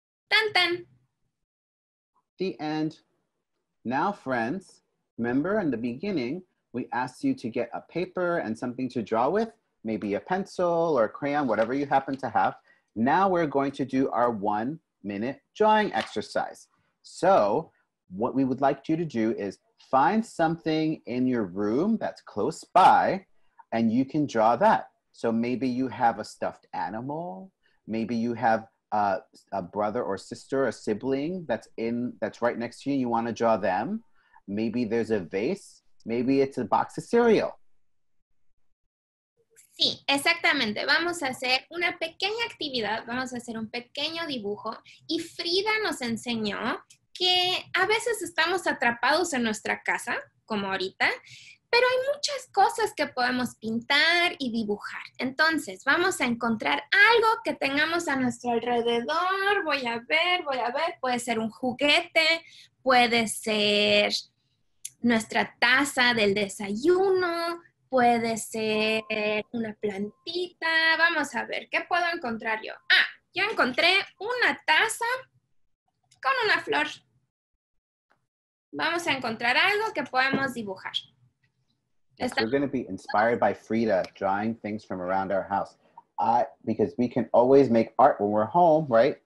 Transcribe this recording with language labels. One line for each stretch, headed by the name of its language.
Spanish: Tan, tan.
English: The end. Now, friends, remember in the beginning, we asked you to get a paper and something to draw with, maybe a pencil or a crayon, whatever you happen to have. Now we're going to do our 1 minute drawing exercise. So what we would like you to do is find something in your room that's close by and you can draw that. So maybe you have a stuffed animal, maybe you have a brother or sister, a sibling that's right next to you and you wanna draw them. Maybe there's a vase, maybe it's a box of cereal.
Spanish: Sí, exactamente. Vamos a hacer una pequeña actividad, vamos a hacer un pequeño dibujo y Frida nos enseñó que a veces estamos atrapados en nuestra casa, como ahorita, pero hay muchas cosas que podemos pintar y dibujar. Entonces, vamos a encontrar algo que tengamos a nuestro alrededor. Voy a ver. Puede ser un juguete, puede ser nuestra taza del desayuno, puede ser una plantita. Vamos a ver, ¿qué puedo encontrar yo? Ah, ya encontré una taza con una flor. Vamos a encontrar algo que podemos dibujar.
English: Yes, we're going to be inspired by Frida drawing things from around our house. Because we can always make art when we're home, right?